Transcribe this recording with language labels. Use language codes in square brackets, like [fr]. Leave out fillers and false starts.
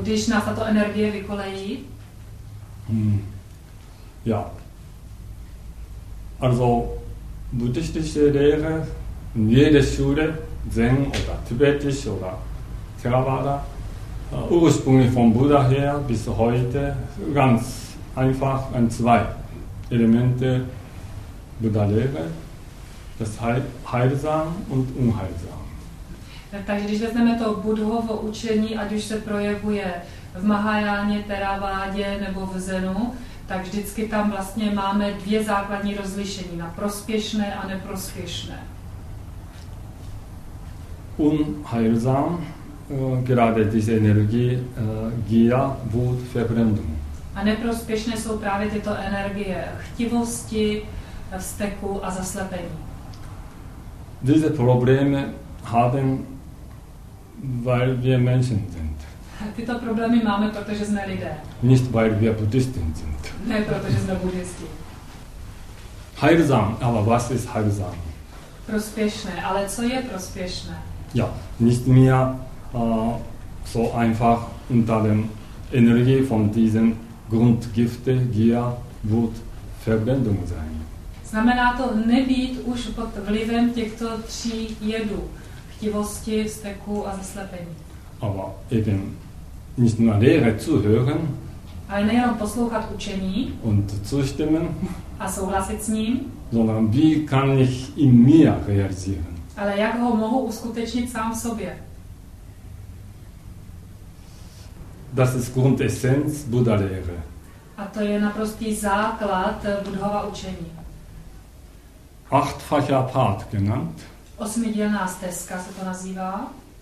[cs] Když nás tato energie vykolejí? [de] Ja. Also, buddhistische Lehre in jeder Schule, Zen oder Tibetisch oder Theravada, ursprünglich vom Buddha her bis heute ganz einfach ein zwei Elemente Buddha Lehre, das heilsam und unheilsam. [cs] Takže když vezmeme to Buddhovo učení, ať už se projevuje v Mahajáně, Teravádě nebo v Zenu, tak vždycky tam vlastně máme dvě základní rozlišení na prospěšné a neprospěšné. [de] Unheilsam gerade diese Energie Gier, Wut, Verbrennung. [cs] A neprospěšné jsou právě tyto energie chtivosti, vzteku a zaslepení. [de] Diese Probleme haben, weil wir Menschen sind. [cs] Tyto problémy máme, protože jsme lidé. [de] Nicht, weil wir Buddhisten sind. [cs] Ne, protože jsme buddhisti. [de] Heilsam, aber was ist heilsam? [cs] Prospěšné, ale co je prospěšné? [de] Ja, nicht mehr so einfach unter dem Energie von diesen Grundgifte Gier, Wut Verbindung sein. [cs] Znamená to nebýt už pod vlivem těchto tří jedů, chtivosti, vzteku a zaslepení. [de] Aber eben nicht nur Lehre zuhören, [cs] ale nejenom poslouchat učení [de] und zustimmen, [cs] a souhlasit s ním, [de] sondern wie kann ich in mir realisieren. [cs] Ale jak ho mohu uskutečnit sám v sobě. [de] Das ist Grundessenz Buddha-Lehre. [cs] A to je naprostý základ Buddhova učení. [de] Achtfacher Pfad genannt. [cs] Osmidělná stezka se to nazývá.